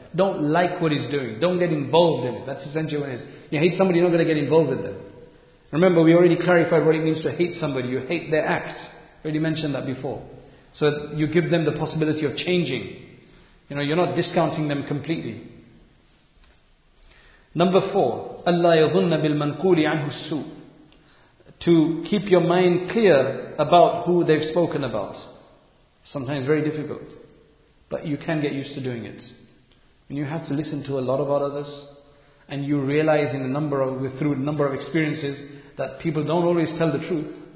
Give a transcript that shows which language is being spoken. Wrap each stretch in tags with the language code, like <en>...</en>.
<en>Don't like what he's doing. Don't get involved in it. That's essentially what it is. You hate somebody, you're not going to get involved with them. Remember, we already clarified what it means to hate somebody. You hate their act. Already mentioned that before. So you give them the possibility of changing. You know, you're not discounting them completely. Number four,</en> <ar>أَلَّا يَظُنَّ بِالْمَنْقُولِ عَنْهُ السُّوءِ.</ar> <en>To keep your mind clear about who they've spoken about. Sometimes very difficult. But you can get used to doing it. And you have to listen to a lot about others. And you realize through a number of experiences that people don't always tell the truth.</en>